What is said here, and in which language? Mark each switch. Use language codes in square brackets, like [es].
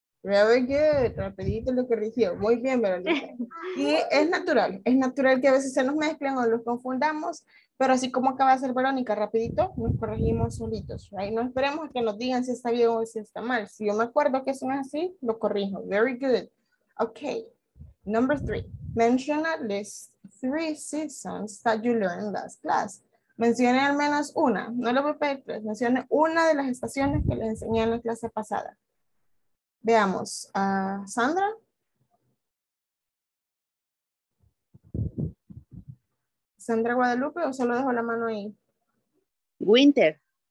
[en] Very good. [es] Rapidito lo que dijo. Muy bien, Verónica. Y es natural que a veces se nos mezclen o los confundamos, pero así como acaba de hacer Verónica, rapidito, nos corregimos solitos, right? No esperemos a que nos digan si está bien o si está mal. Si yo me acuerdo que eso no es así, lo corrijo. [en] Very good. Okay. Number three. Mention at least three seasons that you learned last class. [es] Mencione al menos una. No lo voy a pedir tres. Mencione una de las estaciones que les enseñé en la clase pasada. Veamos, Sandra. Sandra Guadalupe, o solo dejo la mano ahí. [en] Winter.